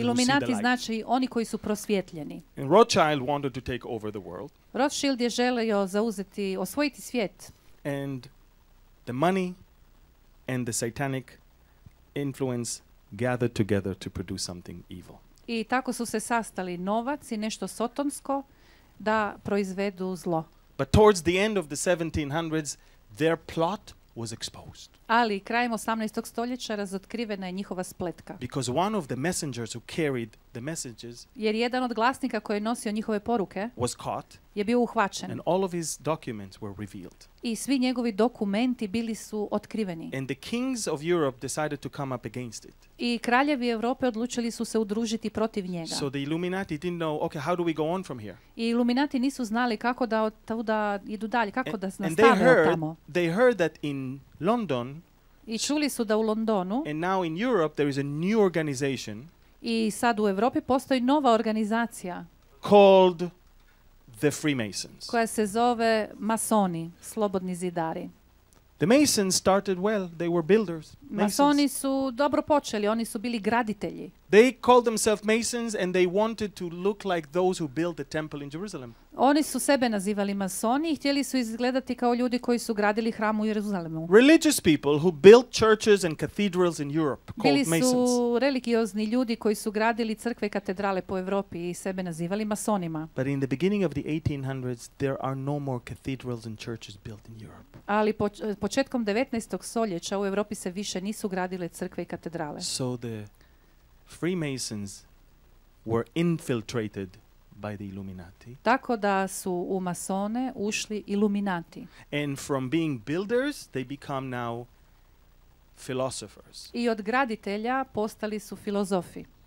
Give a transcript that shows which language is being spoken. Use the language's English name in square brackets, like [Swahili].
[Croatian] Iluminati znači oni koji su prosvjetljeni. [English] And Rothschild wanted to take over the world. [Croatian] Rothschild je želio zauzeti, osvojiti svijet. [English] And the money and the satanic influence gathered together to produce something evil. [Croatian] I tako su se sastali novac i nešto sotonsko da proizvedu zlo. [English] But towards the end of the 1700s, their plot was exposed. [Croatian] Ali krajem 18. stoljeća razotkrivena je njihova spletka. [English] Because one of the messengers who carried the messages, [Croatian] jer jedan od glasnika koji je nosio njihove poruke, [English] was caught, [Croatian] je bio uhvaćen. [English] And all of his documents were revealed. [Croatian] I svi njegovi dokumenti bili su otkriveni. [English] And the kings of Europe decided to come up against it. [Croatian] I kraljevi Europe odlučili su se udružiti protiv njega. [English] So the Illuminati didn't know, okay, how do we go on from here? [Croatian] I Illuminati nisu znali kako da tuda idu dalje, kako [English] and, [Croatian] da nastave tamo. [English] They heard that in London, [Croatian] i čuli su da u Londonu, [English] and now in Europe there is a new organization, [Croatian] i sad u Europi postoji nova organizacija [English] called the Freemasons, [Croatian] koja se zove masoni, slobodni zidari. [English] The Masons started well, they were builders. [Croatian] Masoni su dobro počeli, oni su bili graditelji. [English] They called themselves Masons and they wanted to look like those who built the temple in Jerusalem. [Croatian] Oni su sebe nazivali masoni i htjeli su izgledati kao ljudi koji su gradili hram u Jeruzalemu. [English] Religious people who built churches and cathedrals in Europe called Masons. [Croatian] Bili su religiozni ljudi koji su gradili crkve i katedrale po Evropi i sebe nazivali masonima. [English] But in the beginning of the 1800s there are no more cathedrals and churches built in Europe. [Croatian] Ali početkom 19. stoljeća u Evropi se više nisu gradile crkve i katedrale. [English] So the Freemasons were infiltrated by the Illuminati. [Croatian] Tako da su u masone ušli Illuminati. [English] And from being builders, they become now philosophers. [Croatian] I od graditelja postali su filozofi.